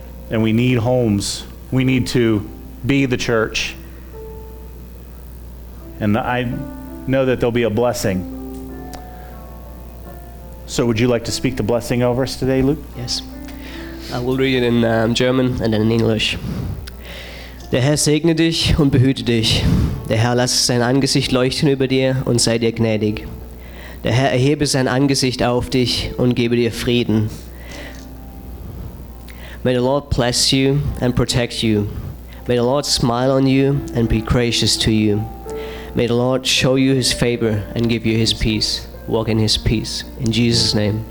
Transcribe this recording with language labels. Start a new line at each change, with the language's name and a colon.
English: And we need homes. We need to be the church. And I know that there'll be a blessing. So would you like to speak the blessing over us today, Luke? Yes. I will read it in German and then in English.
German: Der Herr segne dich und behüte dich. Der Herr lasse sein Angesicht leuchten über dir und sei dir gnädig. Der Herr erhebe sein Angesicht auf dich und gebe dir Frieden.
English: May the Lord bless you and protect you. May the Lord smile on you and be gracious to you. May the Lord show you his favor and give you his peace. Walk in his peace. In Jesus' name.